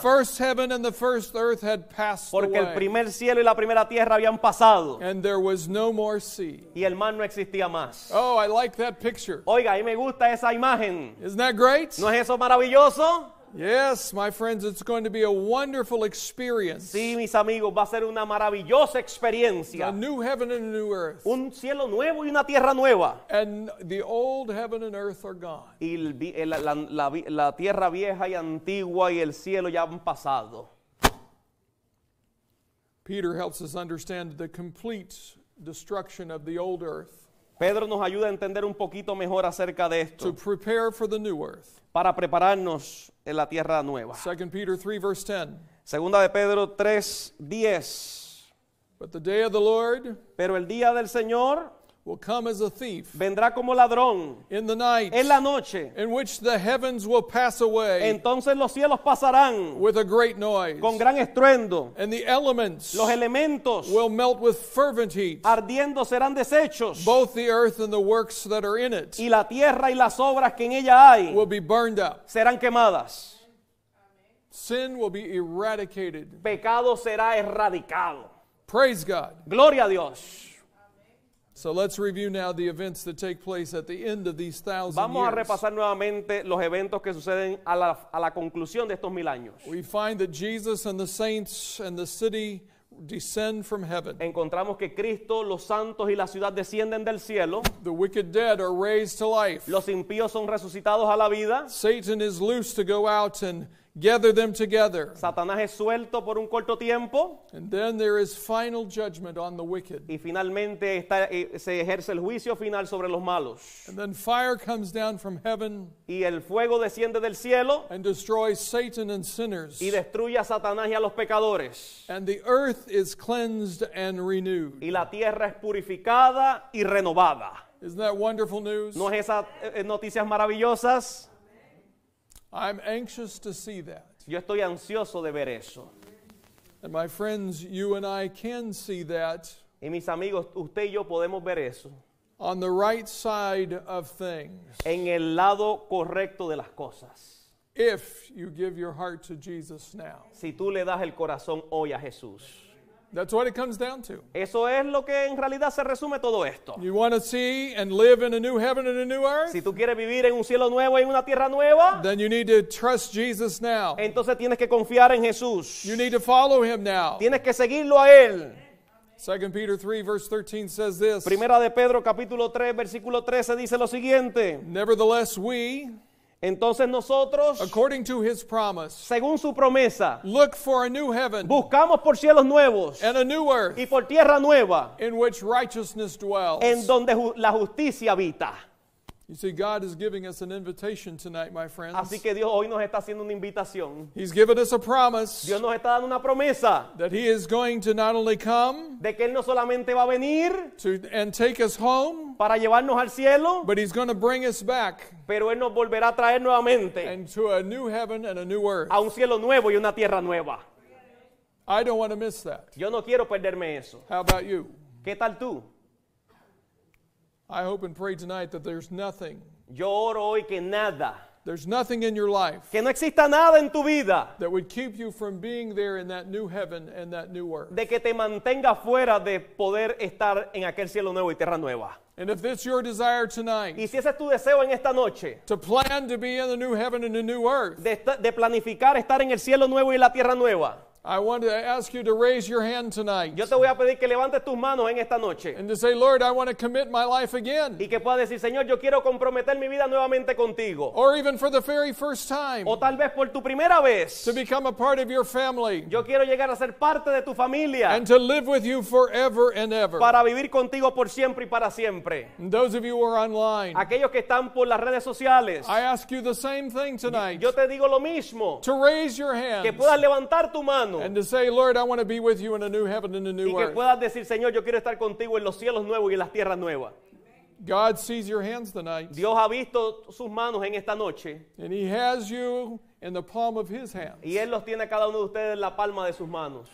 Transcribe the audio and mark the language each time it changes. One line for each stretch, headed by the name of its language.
English: First heaven and the first earth had passed
Spanish: porque
English: away.
Spanish: El primer cielo y la primera tierra habían pasado.
English: And there was no more sea.
Spanish: Y el mar no existía más.
English: Oh, I like that picture.
Spanish: Oiga, a mí me gusta esa imagen.
English: Isn't that great?
Spanish: ¿No es eso maravilloso?
English: Yes, my friends, it's going to be a wonderful experience.
Spanish: Sí, mis amigos, va a ser una maravillosa experiencia.
English: A new heaven and a new earth.
Spanish: Un cielo nuevo y una tierra nueva.
English: And the old heaven and earth are gone.
Spanish: Y la tierra vieja y antigua y el cielo ya han pasado.
English: Peter helps us understand the complete destruction of the old earth.
Spanish: Pedro nos ayuda a entender un poquito mejor acerca de esto.
English: To prepare for the new earth.
Spanish: Para prepararnos en la tierra nueva.
English: 2 Peter 3 verse 10.
Spanish: Segunda de Pedro 3, 10.
English: But the day of the Lord.
Spanish: Pero el día del Señor.
English: Will come as a thief.
Spanish: Vendrá como ladrón.
English: In the night.
Spanish: En la noche.
English: In which the heavens will pass away.
Spanish: Entonces los cielos pasarán.
English: With a great noise.
Spanish: Con gran estruendo.
English: And the elements.
Spanish: Los elementos.
English: Will melt with fervent heat.
Spanish: Ardiendo serán deshechos.
English: Both the earth and the works that are in it.
Spanish: Y la tierra y las obras que en ella hay.
English: Will be burned up.
Spanish: Serán quemadas.
English: Sin will be eradicated.
Spanish: Pecado será erradicado.
English: Praise God.
Spanish: Gloria a Dios.
English: So let's review now the events that take place at the end of these thousand years.
Spanish: Vamos a repasar nuevamente los eventos que suceden a la conclusión de estos mil años.
English: We find that Jesus and the saints and the city descend from heaven.
Spanish: Encontramos que Cristo, los santos y la ciudad descienden del cielo.
English: The wicked dead are raised to life.
Spanish: Los impíos son resucitados a la vida.
English: Satan is loose to go out and gather them together.
Spanish: Satanás es suelto por un corto tiempo.
English: And then there is final judgment on the wicked.
Spanish: Y finalmente está, se ejerce el juicio final sobre los malos.
English: And then fire comes down from heaven.
Spanish: Y el fuego desciende del cielo.
English: And destroys Satan and sinners.
Spanish: Y destruye a Satanás y a los pecadores.
English: And the earth is cleansed and renewed.
Spanish: Y la tierra es purificada y renovada.
English: Isn't that wonderful news?
Spanish: ¿No es esa noticias maravillosas?
English: I'm anxious to see that.
Spanish: Yo estoy ansioso de ver eso.
English: And my friends, you and I can see that.
Spanish: Y mis amigos, usted y yo podemos ver eso.
English: On the right side of things.
Spanish: En el lado correcto de las cosas.
English: If you give your heart to Jesus now.
Spanish: Si tú le das el corazón hoy a Jesús.
English: That's what it comes down to.
Spanish: Eso es lo que en realidad se resume todo esto.
English: You want to see and live in a new heaven and a new earth?
Spanish: Si tú quieres vivir en un cielo nuevo y en una tierra nueva,
English: then you need to trust Jesus now.
Spanish: Entonces tienes que confiar en Jesús.
English: You need to follow him now.
Spanish: Tienes que seguirlo a él.
English: 2 Peter 3 verse 13 says this.
Spanish: Primera de Pedro capítulo 3 versículo 13 dice lo siguiente.
English: Nevertheless we,
Spanish: entonces nosotros,
English: according to his promise,
Spanish: según su promesa,
English: look for a new heaven,
Spanish: buscamos por cielos nuevos,
English: and a new earth,
Spanish: y por tierra nueva,
English: in which righteousness dwells,
Spanish: en donde la justicia habita.
English: You see, God is giving us an invitation tonight, my friends.
Spanish: Así que Dios hoy nos está haciendo una invitación.
English: He's given us a promise.
Spanish: Dios nos está dando una promesa.
English: That he is going to not only come.
Spanish: De que él no solamente va a venir.
English: To, and take us home.
Spanish: Para llevarnos al cielo.
English: But he's going to bring us back.
Spanish: Pero él nos volverá a traer nuevamente.
English: And to a new heaven and a new earth.
Spanish: A un cielo nuevo y una tierra nueva.
English: I don't want to miss that.
Spanish: Yo no quiero perderme eso.
English: How about you?
Spanish: ¿Qué tal tú?
English: I hope and pray tonight that there's nothing.
Spanish: Yo oro hoy que nada.
English: There's nothing in your life.
Spanish: Que no exista nada en tu vida.
English: That would keep you from being there in that new heaven and that new earth.
Spanish: De que te mantenga fuera de poder estar en aquel cielo nuevo y tierra nueva.
English: And if it's your desire tonight.
Spanish: Y si ese es tu deseo en esta noche.
English: To plan to be in the new heaven and the new earth.
Spanish: De planificar estar en el cielo nuevo y la tierra nueva.
English: I want to ask you to raise your hand tonight.
Spanish: Yo te voy a pedir que levantes tus manos en esta noche.
English: And to say, Lord, I want to commit my life again.
Spanish: Y que puedas decir, Señor, yo quiero comprometer mi vida nuevamente contigo.
English: Or even for the very first time.
Spanish: O tal vez por tu primera vez.
English: To become a part of your family.
Spanish: Yo quiero llegar a ser parte de tu familia.
English: And to live with you forever and ever.
Spanish: Para vivir contigo por siempre y para siempre.
English: And those of you who are online.
Spanish: Aquellos que están por las redes sociales.
English: I ask you the same thing tonight.
Spanish: Yo te digo lo mismo.
English: To raise your hand.
Spanish: Que puedas levantar tu mano.
English: And to say, Lord, I want to be with you in a new heaven and a new earth.
Spanish: Y que puedas decir, Señor, yo quiero estar contigo en los cielos nuevos y en las tierras nuevas.
English: God sees your hands tonight.
Spanish: Dios ha visto sus manos en esta noche.
English: And he has you in the palm of his hands.
Spanish: Y él los tiene a cada uno de ustedes en la palma de sus manos.